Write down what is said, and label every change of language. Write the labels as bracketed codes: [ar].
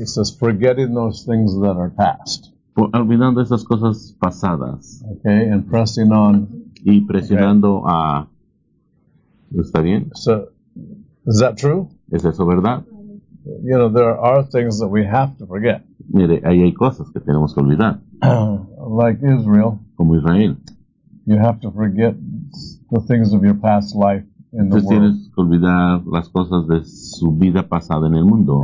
[en] He says, forgetting those things that are past. [es] Olvidando esas cosas pasadas. [en] Okay, and pressing on. [es] Y presionando okay. ¿Está bien? [en] So, is that true? [es] ¿Es eso verdad? [en] You know, there are things that we have to forget. [es] Mire, ahí hay cosas que tenemos que olvidar. [en] Like Israel. [es] Como Israel. [en] You have to forget the things of your past life. [es] Entonces tienes que olvidar las cosas de su vida pasada en el mundo.